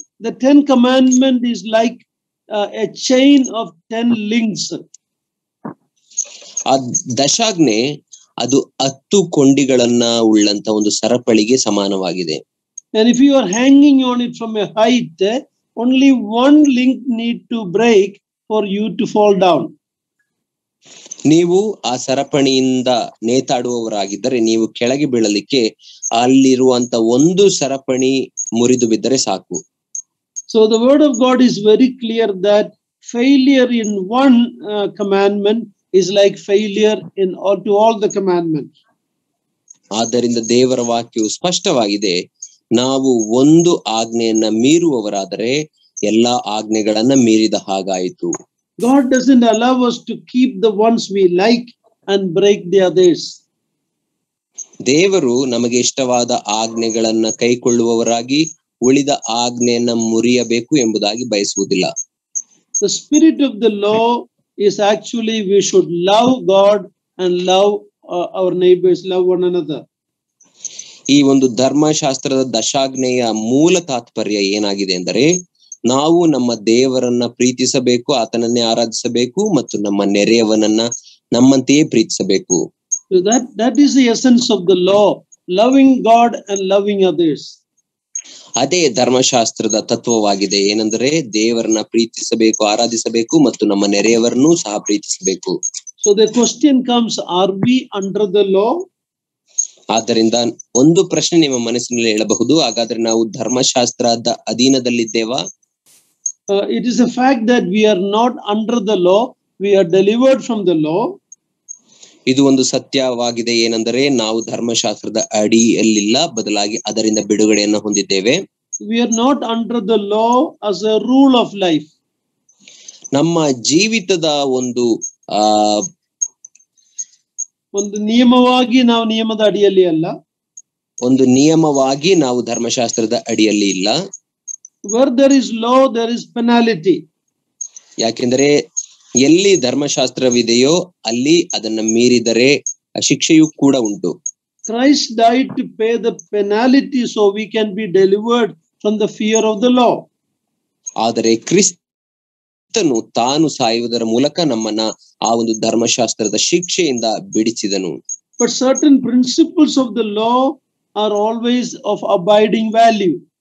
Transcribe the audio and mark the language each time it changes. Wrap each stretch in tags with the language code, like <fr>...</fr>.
<en>the 10 commandment is like a chain of 10 links.</en> <kn>ಆ ದಶಾಜ್ಞೆ ಅದು 10 ಕೊಂಡಿಗಳನ್ನ ಉಳ್ಳಂತ ಒಂದು ಸರಪಳಿಗೆ ಸಮಾನವಾಗಿದೆ.</kn> <en>And if you are hanging on it from a height, only one link need to break for you to fall down.</en> <kn>ನೀವು ಆ ಸರಪಣಿಯಿಂದ ನೇತಾಡುವವರಾಗಿದ್ದರೆ ನೀವು ಕೆಳಗೆ ಬೀಳಲಿಕ್ಕೆ ಅಲ್ಲಿರುವಂತ ಒಂದು ಸರಪಣಿ ಮುರಿದು ಬಿದ್ದರೆ ಸಾಕು.</kn> <en>So the word of God is very clear that failure in one commandment is like failure in all to all the commandments.</en> <kn>ಆದ್ದರಿಂದ ದೇವರ ವಾಕ್ಯವು ಸ್ಪಷ್ಟವಾಗಿದೆ, ನಾವು ಒಂದು ಆಜ್ಞೆಯನ್ನ ಮೀರುವವರಾದರೆ ಎಲ್ಲಾ ಆಜ್ಞೆಗಳನ್ನ ಮೀರಿದ ಹಾಗಾಯಿತು.</kn> <en>God doesn't allow us to keep the ones we like and break the others.</en> <kn>ದೇವರು ನಮಗೆ ಇಷ್ಟವಾದ ಆಜ್ಞೆಗಳನ್ನು ಕೈಕೊಳ್ಳುವವರಾಗಿ ಉಳಿದ ಆಜ್ಞೆಯನ್ನು ಮುರಿಯಬೇಕು ಎಂಬುದಾಗಿ ಬಯಸುವುದಿಲ್ಲ.</kn> <en>The spirit of the law is actually we should love God and love our neighbors, love one another.</en> <kn>ಈ ಒಂದು ಧರ್ಮಶಾಸ್ತ್ರದ ದಶಾಜ್ಞೆಯ ಮೂಲ ತಾತ್ಪರ್ಯ ಏನಾಗಿದೆ ಎಂದರೆ, ನಾವು ನಮ್ಮ ದೇವರನ್ನ ಪ್ರೀತಿಸಬೇಕು, ಆತನನ್ನೇ ಆರಾಧಿಸಬೇಕು, ಮತ್ತು ನಮ್ಮ ನೆರೆಯವನನ್ನ ನಮ್ಮಂತೆಯೇ ಪ್ರೀತಿಸಬೇಕು.</kn> <en>So that is the essence of the law, loving God and loving others.</en> <kn>ಅದೇ ಧರ್ಮಶಾಸ್ತ್ರದ ತತ್ವವಾಗಿದೆ. ಏನಂದ್ರೆ, ದೇವರನ್ನ ಪ್ರೀತಿಸಬೇಕು, ಆರಾಧಿಸಬೇಕು, ಮತ್ತು ನಮ್ಮ ನೆರೆಯವರನ್ನೂ ಸಹ ಪ್ರೀತಿಸಬೇಕು.</kn> <en>So the question comes, are we under the law?</en> <kn>ಆದ್ದರಿಂದ ಒಂದು ಪ್ರಶ್ನೆ ನಿಮ್ಮ ಮನಸ್ಸಿನಲ್ಲಿ ಹೇಳಬಹುದು, ಹಾಗಾದ್ರೆ ನಾವು ಧರ್ಮಶಾಸ್ತ್ರದ ಅಧೀನದಲ್ಲಿದ್ದೇವಾ?</kn> <en>It is a fact that we are not under the law, we are delivered from the law.</en> <kn>ಇದು ಒಂದು ಸತ್ಯವಾಗಿದೆ, ಏನಂದರೆ ನಾವು ಧರ್ಮಶಾಸ್ತ್ರದ ಅಡಿಯಲ್ಲಿಲ್ಲ, ಬದಲಾಗಿ ಅದರಿಂದ ಬಿಡುಗಡೆಯನ್ನು ಹೊಂದಿದ್ದೇವೆ.</kn> <en>We are not under the law as a rule of life.</en> <kn>ನಮ್ಮ ಜೀವಿತದ ಒಂದು ಒಂದು ನಿಯಮವಾಗಿ ನಾವು ನಿಯಮದ ಅಡಿಯಲ್ಲಿ ಅಲ್ಲ, ಒಂದು ನಿಯಮವಾಗಿ ನಾವು ಧರ್ಮಶಾಸ್ತ್ರದ ಅಡಿಯಲ್ಲಿ ಇಲ್ಲ.</kn> <en>Where there is law, there is penalty.</en> <kn>ಯಾಕೆಂದರೆ ಎಲ್ಲಿ ಧರ್ಮಶಾಸ್ತ್ರವಿದೆಯೋ ಅಲ್ಲಿ ಅದನ್ನ ಮೀರಿದರೆ ಶಿಕ್ಷೆಯೂ ಕೂಡ ಉಂಟು.</kn> <en>Christ died to pay the penalty so we can be delivered from the fear of the law.</en> <kn>ಆದರೆ ಕ್ರಿಸ್ತನು ತಾನು ಸಾಯುವುದರ ಮೂಲಕ ನಮ್ಮನ್ನ ಆ ಒಂದು ಧರ್ಮಶಾಸ್ತ್ರದ ಶಿಕ್ಷೆಯಿಂದ ಬಿಡಿಸಿದನು.</kn> <en>But certain principles of the law are always of abiding value.</en>